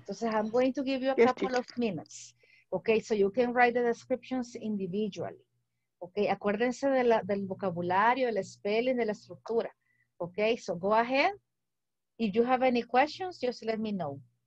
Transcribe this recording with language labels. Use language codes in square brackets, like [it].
[en] Entonces, I'm going to give you a couple of minutes. Okay, so you can write the descriptions individually. [es] Okay, acuérdense de del vocabulario, el spelling, de la estructura. [en] Okay, so go ahead. If you have any questions, just let me know.